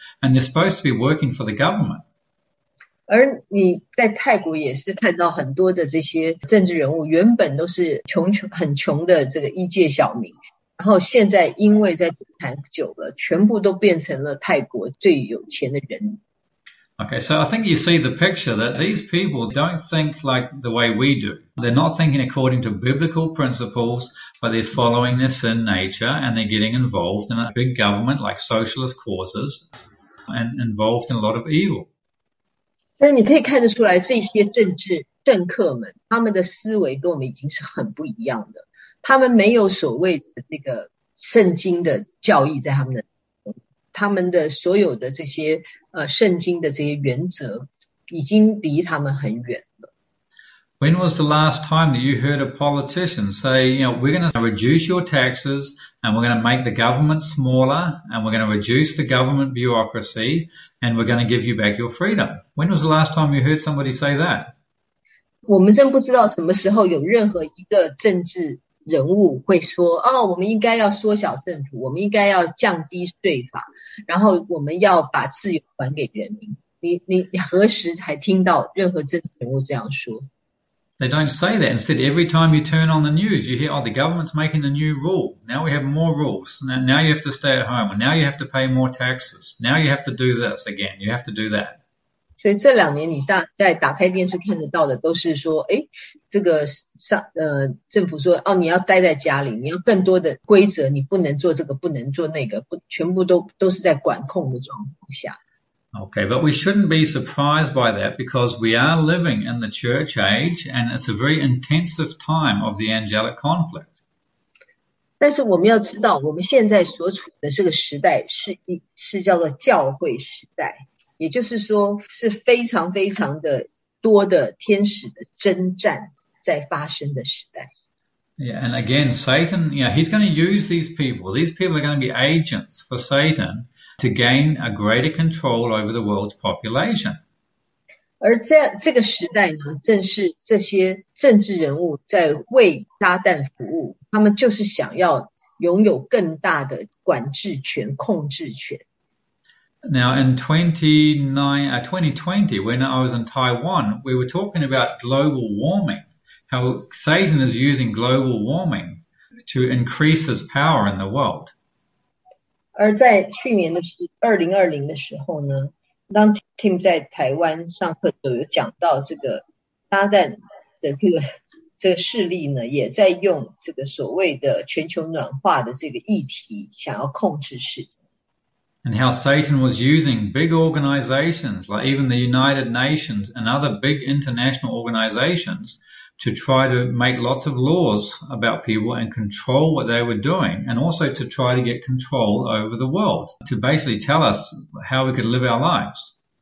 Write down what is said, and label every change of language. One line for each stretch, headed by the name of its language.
English: And they're supposed to be working for the government.
Chinese: 而你在泰国也是看到很多的这些政治人物，原本都是很穷的这个一介小民，然后现在因为在政坛久了，全部都变成了泰国最有钱的人。
English: Okay, so I think you see the picture that these people don't think like the way we do. They're not thinking according to biblical principles, but they're following their sin nature and they're getting involved in a big government like socialist causes and involved in a lot of evil.
Chinese: 所以你可以看得出来，这些政客们，他们的思维跟我们已经是很不一样的。他们没有所谓的这个圣经的教义在他们的所有的这些圣经的这些原则，已经离他们很远。
English: When was the last time that you heard a politician say, we're going to reduce your taxes and we're going to make the government smaller and we're going to reduce the government bureaucracy and we're going to give you back your freedom? When was the last time you heard somebody say that?
Chinese: 我们真不知道什么时候有任何一个政治人物会说，哦，我们应该要缩小政府，我们应该要降低税法，然后我们要把自由还给人民。你何时还听到任何政治人物这样说？
English: They don't say that. Instead, every time you turn on the news, you hear, "Oh, the government's making a new rule. Now we have more rules. Now you have to stay at home, and now you have to pay more taxes. Now you have to do this again. You have to do that."
Chinese: 所以这两年，你大概打开电视看得到的，都是说，哎，这个上政府说，哦，你要待在家里，你要更多的规则，你不能做这个，不能做那个，不，全部都是在管控的状况下。
English: Okay, but we shouldn't be surprised by that because we are living in the church age and it's a very intensive time of the angelic conflict.
Chinese: 但是我们要知道，我们现在所处的这个时代是叫做教会时代。也就是说，是非常非常的多的天使的征战在发生的时代。
English: Yeah, and again, Satan, yeah, he's going to use these people. These people are going to be agents for Satan to gain a greater control over the world's population.
Chinese: 而在这个时代呢，正是这些政治人物在为撒旦服务，他们就是想要拥有更大的管制权、控制权。
English: Now, in 2020, when I was in Taiwan, we were talking about global warming. How Satan is using global warming to increase his power in the world.
Chinese: 而在去年的2020的时候呢，当 Tim 在台湾上课的时候，有讲到这个撒旦的这个势力呢，也在用这个所谓的全球暖化的这个议题，想要控制世界。
English: And how Satan was using big organizations, like even the United Nations and other big international organizations, to try to make lots of laws about people and control what they were doing, and also to try to get control over the world, to basically tell us how we could live our lives.